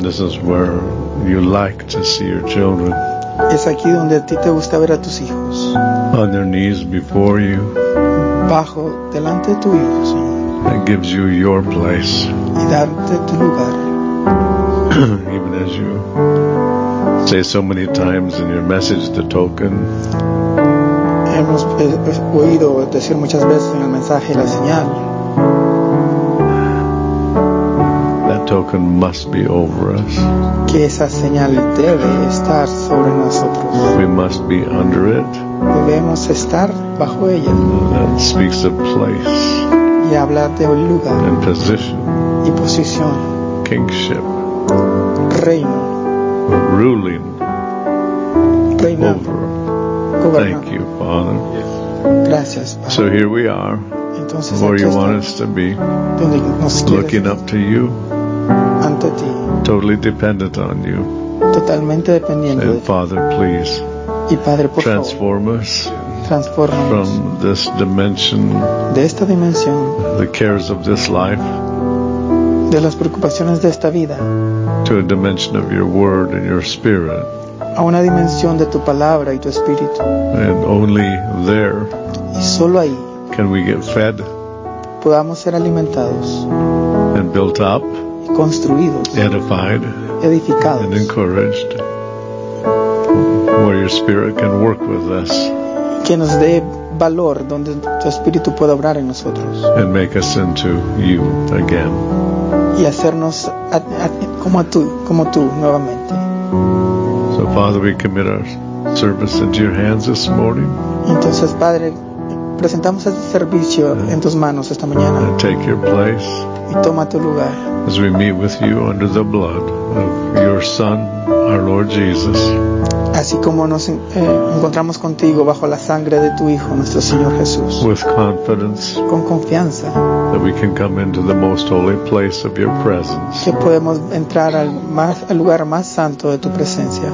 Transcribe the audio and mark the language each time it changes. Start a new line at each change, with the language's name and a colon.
English: This is where you like to see your children.
Spanish: Es aquí donde a ti te gusta ver a tus hijos.
English: On their knees before you.
Spanish: Bajo delante de tu hijo, Señor.
English: That gives you your place.
Spanish: Y darte tu lugar.
English: Even as you say so many times in your message, the token.
Spanish: Hemos oído decir muchas veces en el mensaje la señal.
English: That token must be over us.
Spanish: Que esa señal debe estar sobre nosotros.
English: We must be under it.
Spanish: Debemos estar bajo ella.
English: That speaks of place.
Spanish: Y habla de lugar.
English: And position.
Spanish: Y posición.
English: Kingship.
Spanish: Reino.
English: Ruling.
Spanish: Reinando.
English: Over. Governor. Thank you, Father.
Spanish: Yes. Gracias, Padre.
English: So here we are.
Spanish: Entonces,
English: where you want us to be.
Spanish: Donde nos quieres.
English: Looking up to you.
Spanish: Ante ti.
English: Totally dependent on you.
Spanish: Totalmente dependiendo
English: and
Spanish: de ti.
English: Father, please.
Spanish: Y Padre, por
English: transform
Spanish: favor.
English: Us.
Spanish: Transformanos.
English: From this dimension.
Spanish: De esta dimensión.
English: The cares of this life.
Spanish: De las preocupaciones de esta vida.
English: To a dimension of your word and your spirit.
Spanish: A una dimensión de tu palabra y tu espíritu.
English: And only there.
Spanish: Y solo ahí.
English: Can we get fed.
Spanish: Podamos ser alimentados.
English: And built up.
Spanish: Y construidos.
English: Edified.
Spanish: Edificados.
English: And encouraged. Where your spirit can work with us.
Spanish: Que nos dé valor donde tu espíritu pueda obrar en nosotros.
English: And make us into you again.
Spanish: Y hacernos como tú nuevamente.
English: So Father, we commit our service into your hands this morning.
Spanish: Entonces, Padre, presentamos este servicio en tus manos esta mañana.
English: And take your place.
Spanish: Y toma tu lugar.
English: As we meet with you under the blood of your Son, our Lord Jesus.
Spanish: Así como nos encontramos contigo bajo la sangre de tu Hijo, nuestro Señor Jesús.
English: With confidence.
Spanish: Con confianza.
English: That we can come into the most holy place of your presence.
Spanish: Que podemos entrar al lugar más santo de tu presencia.